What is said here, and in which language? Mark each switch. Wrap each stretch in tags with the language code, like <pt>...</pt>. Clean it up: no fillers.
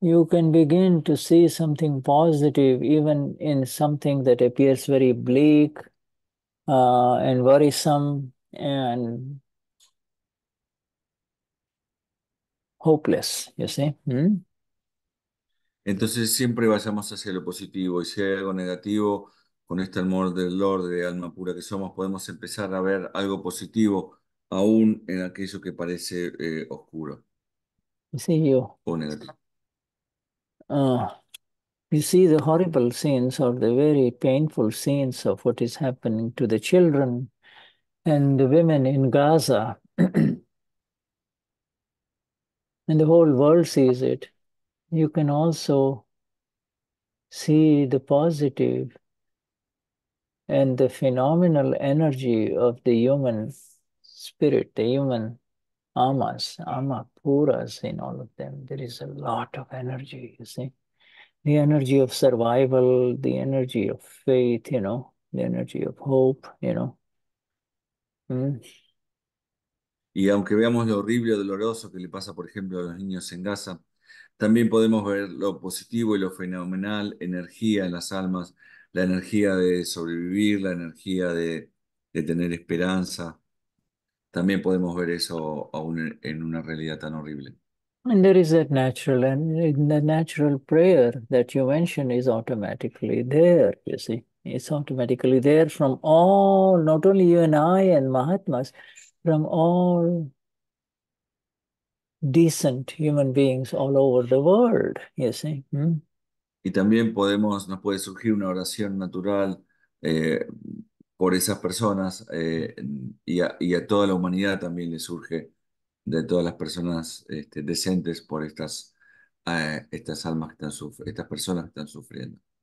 <en>can begin to see something positive even in something that appears very bleak and worrisome and hopeless, you see.</en> <es>Entonces siempre vayamos hacia lo positivo, y si hay algo negativo, con este amor del Lord, de alma pura que somos, podemos empezar a ver algo positivo, aún en aquello que parece oscuro.</es> <en>See you.</en> <es>O negativo.</es> <en>You see the horrible scenes or the very painful scenes of what is happening to the children and the women in Gaza. And the whole world sees it. You can also see the positive and the phenomenal energy of the human spirit, the human amas, amapuras in all of them. There is a lot of energy, you see. The energy of survival, the energy of faith, you know, the energy of hope, you know.</en> <es>Y aunque veamos lo horrible y doloroso que le pasa, por ejemplo, a los niños en Gaza, también podemos ver lo positivo y lo fenomenal, energía en las almas, la energía de sobrevivir, la energía de tener esperanza. También podemos ver eso aún en una realidad tan horrible.</es> <en>And there is that natural, and the natural prayer that you mention is automatically there, you see. It's automatically there from all, not only you and I and Mahatmas, from all decent human beings all over the world, you see.</en> <es>Y también podemos, nos puede surgir una oración natural por esas personas y a toda la humanidad también le surge de todas las personas decentes por estas almas que están sufriendo, estas personas que están sufriendo.</es>